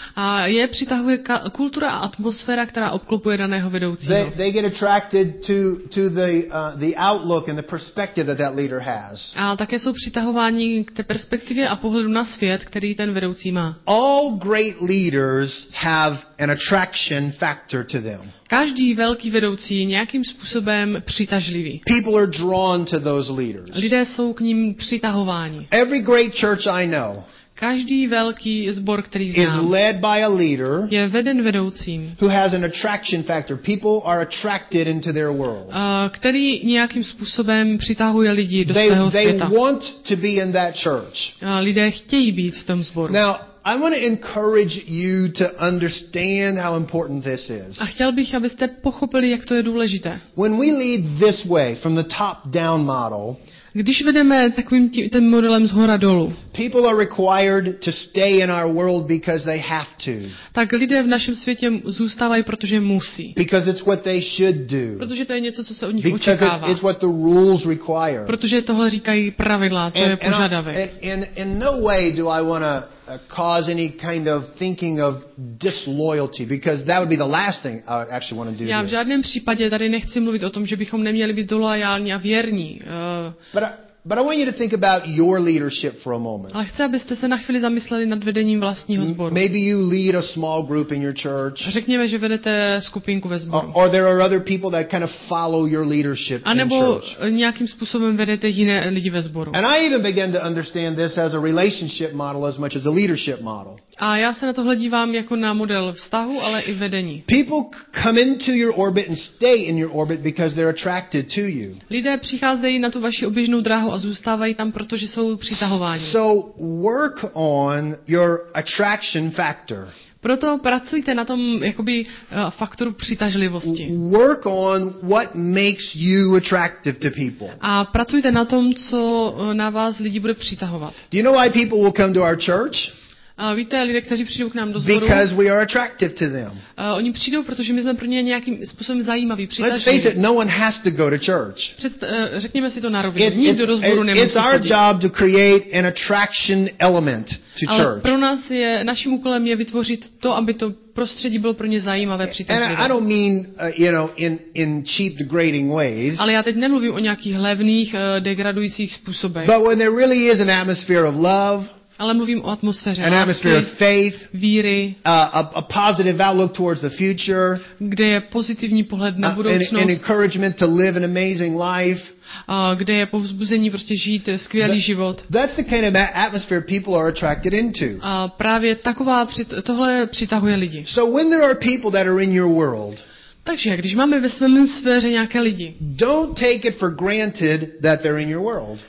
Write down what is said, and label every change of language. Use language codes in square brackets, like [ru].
[cs] A je přitahuje kultura a atmosféra, která obklopuje daného vedoucího. [en] They get attracted to the outlook and the perspective that leader has. [cs] A také jsou přitahováni k té perspektivě a pohledu na svět, který ten vedoucí má. [en] All great leaders have an attraction factor to them. [cs] Každý velký vedoucí je nějakým způsobem přitažlivý. [en] People are drawn to those leaders. [cs] Lidé jsou k ním přitahováni. [en] Every great church I know. [cs] Každý velký sbor, který znám, [en] is led by a leader, [cs] je veden vedoucím, [en] who has an attraction factor. People are attracted into their world. [cs] Který nějakým způsobem přitahuje lidi do svého světa. [en] They want to be in that church. [cs] Lidé chtějí být v tom sboru. [en] Now, I want to encourage you to understand how important this is. [cs] A chtěl bych, abyste pochopili, jak to je důležité. [en] When we lead this way from the top down model, [cs] když vedeme takovým tím modelem zhora dolů, [en] people are required to stay in our world because they have to. [cs] Tak lidé v našem světě zůstávají, protože musí. [en] Because it's what they should do. [cs] Protože to je něco, co se od nich [en] because [cs] očekává. [en] Because it's what the rules require. [cs] Protože tohle říkají pravidla, to je požadavek. [en] And in no way do I want to cause any kind of thinking of disloyalty, because that would be the last thing I would actually want to do. [cs] Já v žádném případě tady nechci mluvit o tom, že bychom neměli být loajální a věrní. [en] But I want you to think about your leadership for a moment. [cs] Ale chci, abyste se na chvíli zamysleli nad vedením vlastního sboru. [en] Maybe you lead a small group in your church. [cs] Řekněme, že vedete skupinku ve sboru. [en] Or there are other people that kind of follow your leadership in church. [cs] A nebo nějakým způsobem vedete jiné lidi ve sboru. [en] And I even began to understand this as a relationship model as much as a leadership model. [cs] A já se na tohle dívám jako na model vztahu, ale i vedení. [en] People come into your orbit and stay in your orbit because they're attracted to you. [cs] Lidé přicházejí na tu vaši oběžnou dráhu a zůstávají tam, protože jsou přitahováni. [en] So work on your attraction factor. [cs] Proto pracujte na tom jakoby faktoru přitažlivosti. [en] Work on what makes you attractive to people. [cs] A pracujte na tom, co na vás lidi bude přitahovat. [en] Do you know why people will come to our church? [cs] Víte, lidé, kteří přijdou k nám do zboru. [en] Because we are attractive to them. [cs] Oni přijdou, protože my jsme pro ně nějakým způsobem zajímaví, přitažliví. [en] Let's face it, no one has to go to church. [cs] Řekněme si to na rovinu. Nikdo do zboru nemusí chodit. [en] It's our job to create an attraction element to church. [cs] Ale pro nás je naším úkolem je vytvořit to, aby to prostředí bylo pro ně zajímavé, přitažlivé. [en] I don't mean, you know, in cheap degrading ways. [cs] Ale já teď nemluvím o nějakých levných degradujících způsobech. [en] But when there really is an atmosphere of love. [cs] Ale mluvím o atmosféře [en] an atmosphere [cs] lásky, [en] of faith, [cs] víry, [en] a positive outlook towards the future, [cs] kde je pozitivní pohled na budoucnost, [en] an encouragement to live an amazing life, [cs] kde je povzbuzení prostě žít skvělý život. [en] That's the kind of atmosphere people are attracted into. [cs] A právě taková tohle přitahuje lidi. [en] So when there are people that are in your world, [cs] takže když máme ve svém sféře nějaké lidi. [en] Don't take it for granted that they're in your world.